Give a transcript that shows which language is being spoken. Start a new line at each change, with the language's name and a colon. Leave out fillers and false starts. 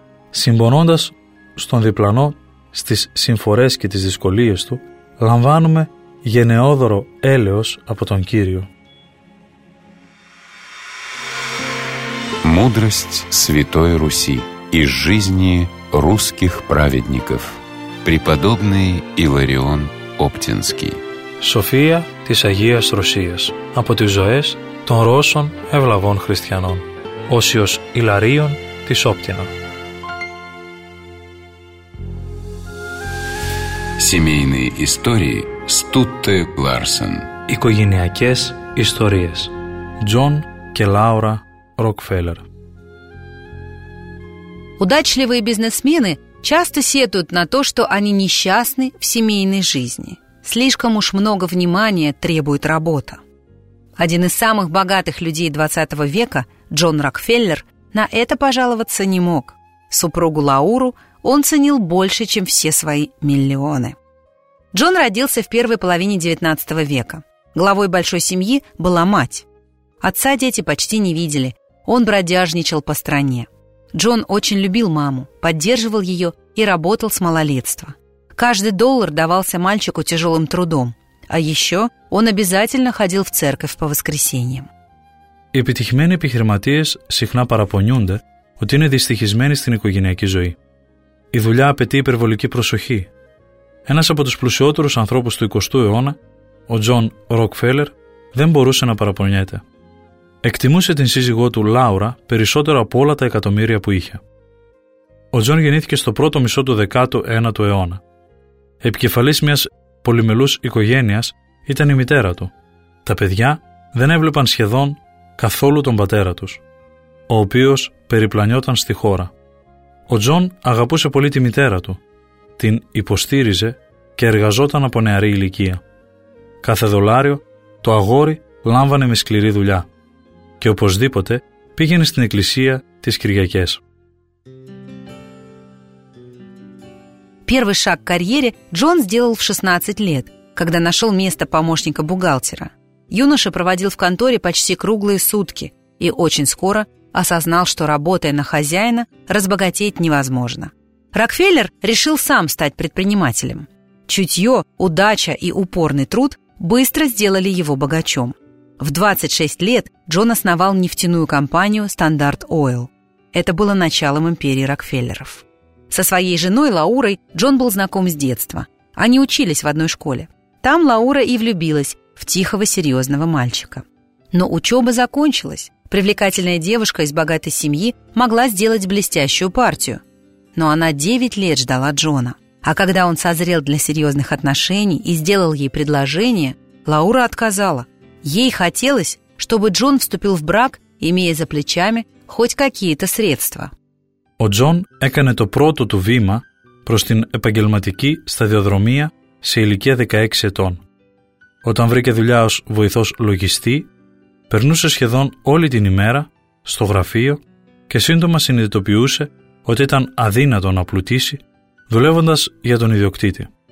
Greek: Συμπονώντας στον διπλανό, στις συμφορές και τις δυσκολίες του, λαμβάνουμε γενναιόδωρο έλεος από τον Κύριο.
Russian: Μούδραστ Σβητόι Ρουσί η ζήνη ρούσκιχ πράведников. Преподобный Иларион Оптинский.
Greek: Σοφία της Αγίας Ρωσίας από τις ζωές των Ρώσων ευλαβών χριστιανών. Όσιος Ιλαρίων της Όπτινα.
Russian: Семейные истории Стутте Ларсен.
Greek: Οικογενειακές ιστορίες Τζον και Λάουρα Ροκφέλλερ.
Russian: Удачливые бизнесмены часто сетуют на то, что они несчастны в семейной жизни. Слишком уж много внимания требует работа. Один из самых богатых людей 20 века, Джон Рокфеллер, на это пожаловаться не мог. Супругу Лауру он ценил больше, чем все свои миллионы. Джон родился в первой половине 19 века. Главой большой семьи была мать. Отца дети почти не видели, он бродяжничал по стране. Джон очень любил маму, поддерживал ее и работал с малолетства. Каждый доллар давался мальчику тяжелым трудом, а еще он обязательно ходил в церковь по воскресеньям.
Greek: Επιτυχημένοι επιχειρηματίες συχνά παραπονιούνται ότι είναι δυστυχισμένοι στην οικογενειακή ζωή. Η δουλειά απαιτεί υπερβολική προσοχή. Ένας από τους πλουσιότερους ανθρώπους του 20ου αιώνα, ο Τζον Ροκφέλλερ, δεν μπορούσε να παραπονιέται. Εκτιμούσε την σύζυγό του Λάουρα περισσότερο από όλα τα εκατομμύρια που είχε. Ο Τζον γεννήθηκε στο πρώτο μισό του 19ου αιώνα. Επικεφαλής μιας πολυμελούς οικογένειας ήταν η μητέρα του. Τα παιδιά δεν έβλεπαν σχεδόν καθόλου τον πατέρα τους, ο οποίος περιπλανιόταν στη χώρα. Ο Τζον αγαπούσε πολύ τη μητέρα του, την υποστήριζε και εργαζόταν από νεαρή ηλικία. Κάθε δολάριο το αγόρι λάμβανε με σκληρή δουλειά και οπωσδήποτε πήγαινε στην εκκλησία τις Κυριακές.
Russian: Первый шаг к карьере Джон сделал в 16 лет, когда нашел место помощника бухгалтера. Юноша проводил в конторе почти круглые сутки и очень скоро осознал, что работая на хозяина, разбогатеть невозможно. Рокфеллер решил сам стать предпринимателем. Чутье, удача и упорный труд быстро сделали его богачом. В 26 лет Джон основал нефтяную компанию Standard Oil. Это было началом империи Рокфеллеров. Со своей женой Лаурой Джон был знаком с детства. Они учились в одной школе. Там Лаура и влюбилась в тихого, серьезного мальчика. Но учеба закончилась. Привлекательная девушка из богатой семьи могла сделать блестящую партию. Но она 9 лет ждала Джона. А когда он созрел для серьезных отношений и сделал ей предложение, Лаура отказала. Ей хотелось, чтобы Джон вступил в брак, имея за плечами хоть какие-то средства.
Greek: Ο Τζον έκανε το πρώτο του βήμα προς την επαγγελματική σταδιοδρομία σε ηλικία 16 ετών. Όταν βρήκε δουλειά ως βοηθός λογιστή, περνούσε σχεδόν όλη την ημέρα στο γραφείο και σύντομα συνειδητοποιούσε ότι ήταν αδύνατο να πλουτίσει, δουλεύοντας για τον ιδιοκτήτη.